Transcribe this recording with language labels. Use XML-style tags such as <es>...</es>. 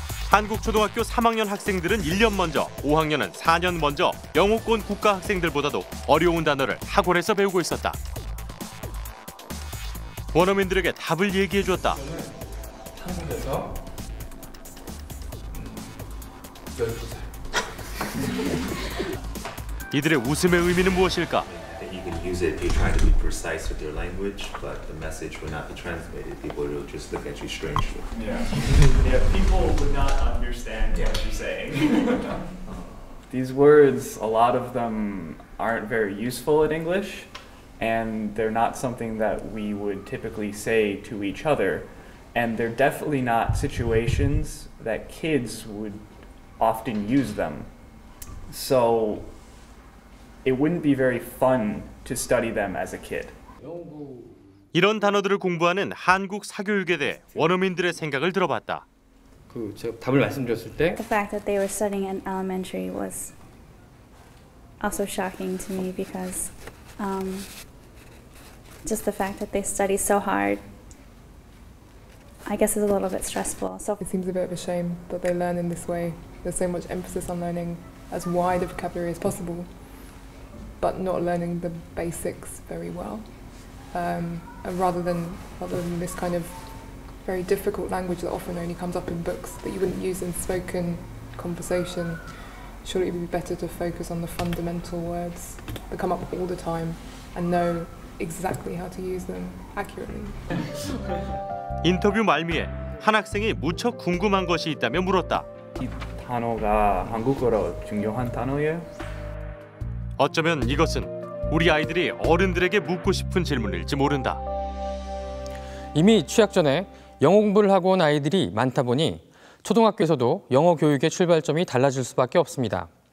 <ko>한국 초등학교 3학년 학생들은 1년 먼저, 5학년은 4년 먼저 영어권 국가 학생들보다도 어려운 단어를 학원에서 배우고 있었다. 원어민들에게 답을 얘기해 주었다. 한국에서 12살. 이들의 웃음의 의미는 무엇일까?</ko> <en>You can use it if you try to be precise with your language, but the message will not be transmitted. People will just look at you strangely. Yeah. Yeah, people would not understand what you're saying. These words, a lot of them aren't very useful in English, and they're not something that we would typically say to each other. And they're definitely not situations that kids would often use them. So it wouldn't be very fun to study them as a kid.</en> <ko>이런 단어들을 공부하는 한국 사교육에 대해 원어민들의 생각을 들어봤다. 그 제가 답을 말씀드렸을 때</ko> <en>The fact that they were studying in elementary was also shocking to me because just the fact that they study so hard I guess is a little bit stressful. So it seems a bit of a shame that they learn in this way. There's so much emphasis on learning as wide a vocabulary as possible. But not learning the basics very well, rather than this kind of very difficult language that often only comes up in books that you wouldn't use in spoken conversation. Surely it would be better to focus on the fundamental words that come up all the time and know exactly how to use them accurately.</en> <ko>인터뷰 말미에 한 학생이 무척 궁금한 것이 있다며 물었다. 이 단어가 한국어로 중요한 단어예요? 어쩌면 이것은 우리 아이들이 어른들에게 묻고 싶은 질문일지 모른다. 이미 취학 전에 영어 공부를 하고 온 아이들이 많다 보니 초등학교에서도 영어 교육의 출발점이 달라질 수밖에 없습니다.</ko>